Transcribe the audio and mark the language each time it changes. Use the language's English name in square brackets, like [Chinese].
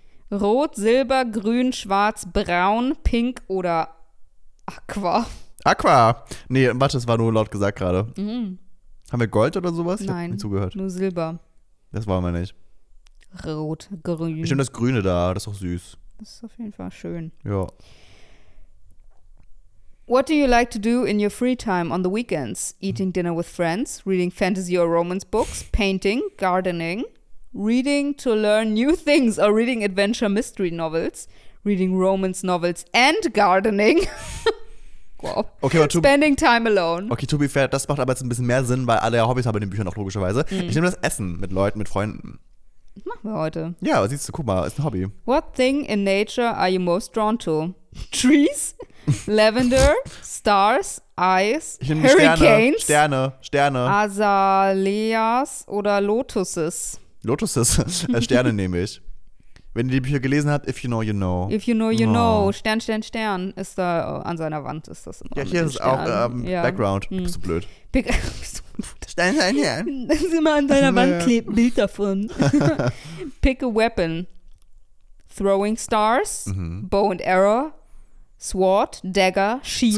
[German] Rot, Silber, Grün, Schwarz, Braun, Pink oder Aqua? Aqua. Nee, warte, das war nur laut gesagt gerade. Mhm. Haben wir Gold oder sowas? Nein. Ich hab nie zugehört. Nur Silber. Das wollen wir nicht. Rot, Grün. Ich nehme das Grüne da, das ist auch süß. Das ist auf jeden Fall schön. Ja. [English] What do you like to do in your free time on the weekends? Eating dinner with friends, reading fantasy or romance books, painting, gardening, reading to learn new things or reading adventure mystery novels, reading romance novels and gardening. Wow. Okay, spending time alone. Okay, to be fair, [German] das macht aber jetzt ein bisschen mehr Sinn, weil alle ja Hobbys haben in den Büchern auch logischerweise. Mm. Ich nehme das Essen mit Leuten, mit Freunden. Das machen wir heute. Ja, siehst du, guck mal, ist ein Hobby. [English] What thing in nature are you most drawn to? Trees? Lavender, Stars, Eis, Hurricanes, [German] Sterne, [English] Azaleas oder Lotuses? [German] Lotuses, Sterne nehme ich. Wenn ihr die Bücher gelesen habt, [English] if you know, you know. If you know, you know. [German] Stern ist da an seiner Wand. Ist das immer ja, hier ist es auch ja. Background. Hm. Bist du blöd? Stern. Das ist immer an seiner Wand, klebt Bild davon. [English] Pick a weapon. Throwing Stars, Bow and Arrow, Sword, Dagger, Shield.